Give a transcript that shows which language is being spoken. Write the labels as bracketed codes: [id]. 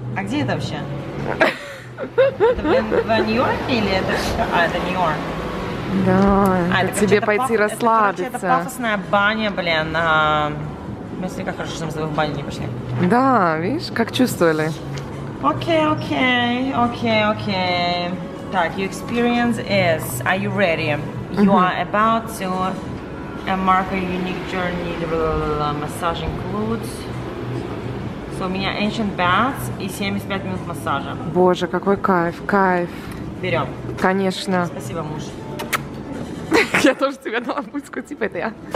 [ru] А где это вообще? Это в Нью-Йорке или это... А, это Нью-Йорк. Да, это тебе пойти расслабиться. Это пафосная баня, блин. Мы с Рикой хорошо, что мы с тобой в баню не пошли. Да, видишь, как чувствовали. Окей, окей, окей, окей. Так, [en] your experience is... Are you ready? You are about to embark a unique journey. Massage includes... So, [ru] у меня [en] ancient baths [ru] и 75 минут массажа. Боже, какой кайф, кайф. Берем. Конечно. Спасибо, муж. Я тоже тебе дала пуску, типа это я.